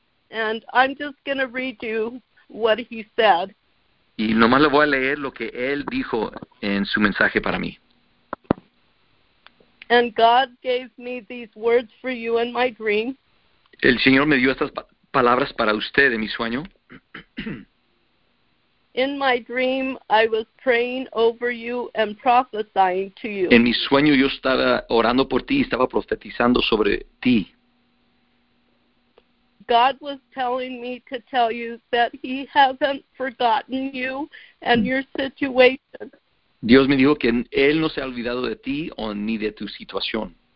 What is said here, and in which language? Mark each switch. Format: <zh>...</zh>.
<en>And I'm just going to read you what he said.</en> <es>Y nomás le voy a leer lo que él dijo en su mensaje para mí.</es> <en>And God gave me these words for you in my dream.</en> <es>El Señor me dio estas palabras para usted en mi sueño.</es> <en>In my dream, I was praying over you and prophesying to you.</en> <es>En mi sueño, yo estaba orando por ti y estaba profetizando sobre ti.</es> <en>God was telling me to tell you that he hasn't forgotten you and your situation.</en> <es>Dios me dijo que Él no se ha olvidado de ti o ni de tu situación.</es>